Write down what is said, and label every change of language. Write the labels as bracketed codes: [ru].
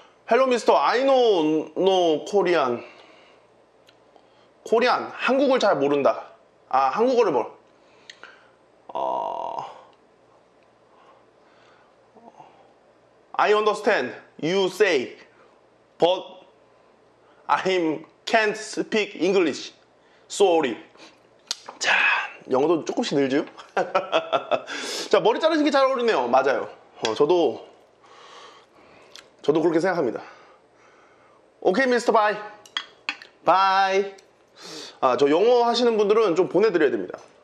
[en] 헬로 미스터, I know no Korean. [ko] 코리안, 한국을 잘 모른다. 아, 한국어를 뭐? [en] 어, I understand you say, but I can't speak English. Sorry. [ko] 자, 영어도 조금씩 늘지요? 자, 머리 자르신 게 잘 어울리네요. 맞아요. 저도 그렇게 생각합니다. [en] Okay, Mr. Bye. Bye. [ko] 아, 저 영어 하시는 분들은 좀 보내드려야 됩니다.